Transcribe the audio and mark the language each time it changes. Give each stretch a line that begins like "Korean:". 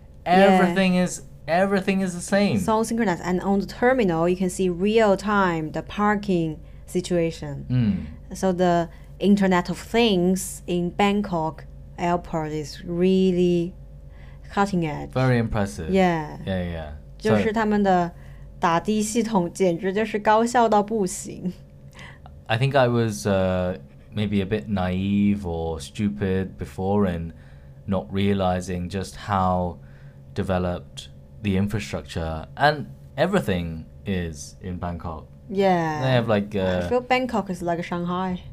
English: Everything is the same. So synchronized. And on the terminal, you can see real time the parking situation. Mm. So the Internet of Things in Bangkok airport is really cutting edge. Very impressive. Yeah.
Chinese: 就是他们的打的系统简直就是高效到不行.
English: I think I was maybe a bit naive or stupid before and not realizing just how developed the infrastructure and everything is in Bangkok. Yeah. They have like I feel Bangkok is like Shanghai.